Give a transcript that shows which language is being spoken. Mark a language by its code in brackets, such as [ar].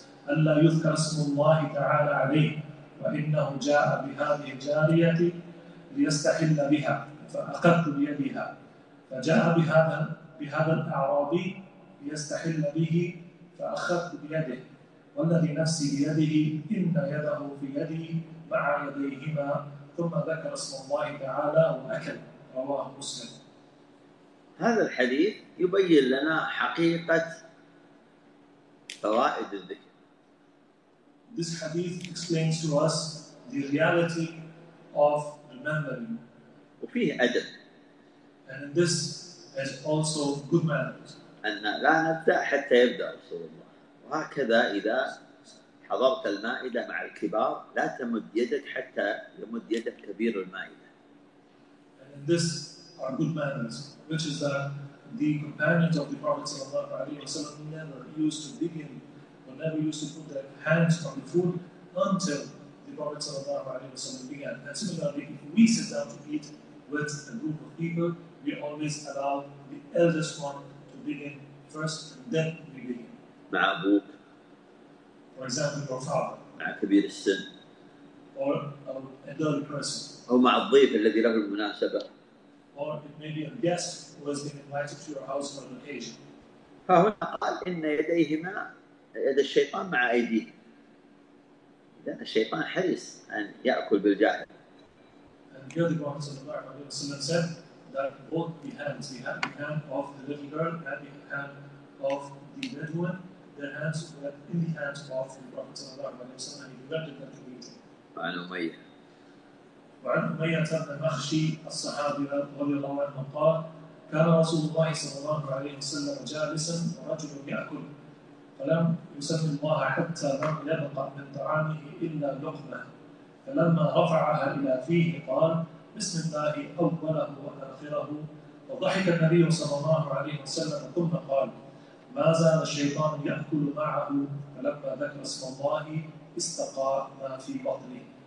[ar] ألا يذكر اسم الله تعالى عليه وإنه جاء بهذه الجارية ليستحل بها فأخذت بيدها فجاء بهذا الأعرابي ليستحل به فأخذت بيده والذي نفسي بيده إن يده في يدي مع يديهما ثم ذكر اسم الله تعالى وأكل رواه مسلم. هذا الحديث يبين لنا حقيقة فوائد الذكر. [en] This hadith explains to us the reality of remembering. [ar] وفيه أدب. [en] And this is also good manners. [ar] أن لا نبدأ حتى يبدأ رسول الله. وهكذا إذا حضرت المائدة مع الكبار لا تمد يدك حتى يمد يدك كبير المائدة. [en] And this are good manners, which is that the companions of the Prophet sallallahu alaihi wasallam never used to begin or never used to put their hands on the food until the Prophet sallallahu alaihi wasallam began. And similarly, if we sit down to eat with a group of people, we always allow the eldest one to begin first, and then we begin. [ar] مع أبوك. [en] For example, your father. [ar] مع كبير السن. [en] Or an elderly person. [ar] أو مع الضيف الذي له المناسبة. [en] Or it may be a guest who has been invited to your house for an occasion. [ar] فهنا قال إن يديهما يد الشيطان مع أيديه. إذا الشيطان حريص أن يأكل بالجاهل. [en] And here the Prophet صلى الله عليه وسلم said that both the hands, the hand of the little girl and the hand of the dead woman, their hands were in the hands of the Prophet صلى الله عليه وسلم and he prevented them from eating. [ar] عن أمية. وعن أمية المخشي الصحابي رضي الله عنه قال كان رسول الله صلى الله عليه وسلم جالسا ورجل يأكل فلم يسلم الله حتى لم يبق من طعامه إلا لقمة فلما رفعها إلى فيه قال بسم الله أوله وآخره وضحك النبي صلى الله عليه وسلم ثم قال ما زال الشيطان يأكل معه فلما ذكر اسم الله استقى ما في بطنه.